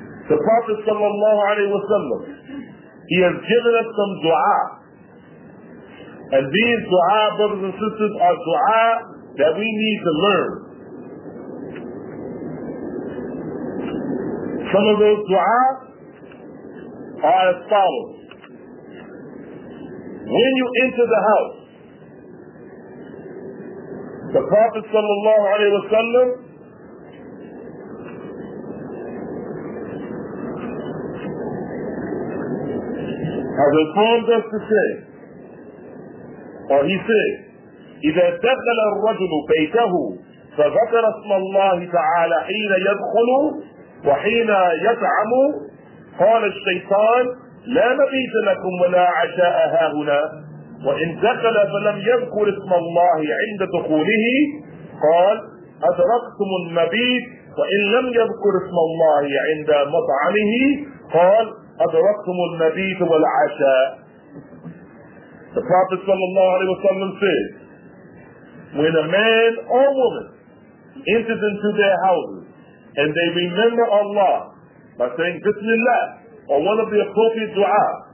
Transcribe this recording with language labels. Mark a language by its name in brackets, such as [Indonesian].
[English] The Prophet sallallahu alayhi wa sallam, he has given us some dua. And these dua, brothers and sisters, are dua that we need to learn. Some of those dua are as follows. When you enter the house, the Prophet sallallahu alayhi wa sallam has informed us to say, or he said, [Arabic] إِذَا دَخَلَ الرَّجُلُ بَيْتَهُ فَذَكَرَ اسْمَ اللَّهِ تَعَالَى حِينَ يَدْخُلُ وَحِينَ يَطْعَمُ قَالَ الشَّيْطَانُ لَا مَبِيتَ لَكُمْ وَلَا عَشَاءَ هَاهُنَا وَإِنْ دَخَلَ فَلَمْ يَذْكُرْ اسْمَ اللَّهِ عِنْدَ دُخُولِهِ قَالَ أَدْرَكْتُمُ النَّبِيَّ وَإِنْ لَمْ يَذْكُرْ اسْمَ اللَّهِ عِنْدَ مَطْعَمِهِ قَالَ أَدْرَكْتُمُ النَّبِيَّ وَالْعَشَاءَ. [English] The Prophet sallallahu alayhi wa sallam said, when a man or woman enters into their houses and they remember Allah by saying Bismillah or one of the appropriate dua,